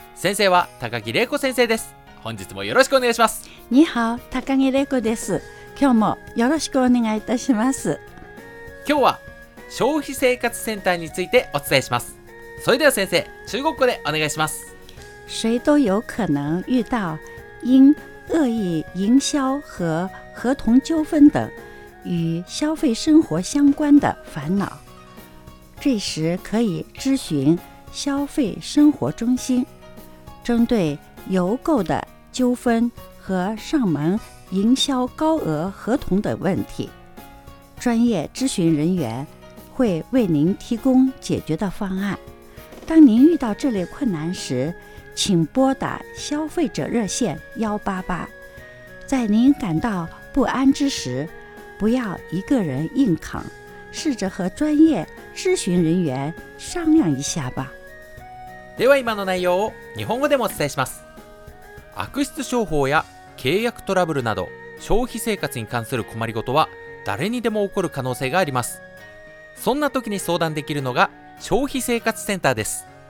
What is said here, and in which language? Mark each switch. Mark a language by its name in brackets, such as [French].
[Japanese] 先生は高木玲子先生です。本日もよろしくお願いします。ニハオ、高木玲子です。今日もよろしくお願いいたします。今日は消費生活センターについてお伝えします。それでは先生、中国語でお願いします。 [Chinese] 谁都有可能遇到因恶意营销和合同纠纷等与消费生活相关的烦恼，这时可以咨询消费生活中心，针对邮购的纠纷和上门营销高额合同等问题，专业咨询人员会为您提供解决的方案。当您遇到这类困难时，请拨打消费者热线188。在您感到不安之时，不要一个人硬扛，试着和专业咨询人员商量一下吧。 [Japanese] では今の内容を日本語でもお伝えします。悪質商法や契約トラブルなど消費生活に関する困りごとは誰にでも起こる可能性があります。そんな時に相談できるのが消費生活センターです。